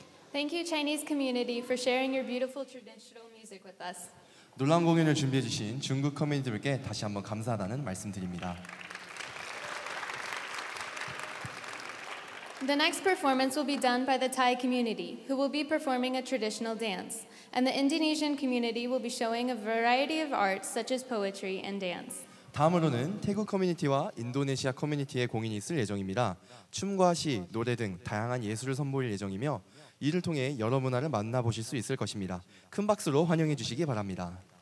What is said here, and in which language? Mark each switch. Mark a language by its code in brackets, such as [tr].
[en] For sharing your beautiful traditional music with us. [ko] 놀라운 공연을 준비해 주신 중국 커뮤니티들께 다시 한번 감사하다는 말씀드립니다. [en] The next performance will be done by the Thai community, who will be performing a traditional dance, and the Indonesian community will be showing a variety of arts such as poetry and dance. [ko] 다음으로는 태국 커뮤니티와 인도네시아 커뮤니티의 공연이 있을 예정입니다. 춤과 시, 노래 등 다양한 예술을 선보일 예정이며 이를 통해 여러 문화를 만나보실 수 있을 것입니다. 큰 박수로 환영해 주시기 바랍니다.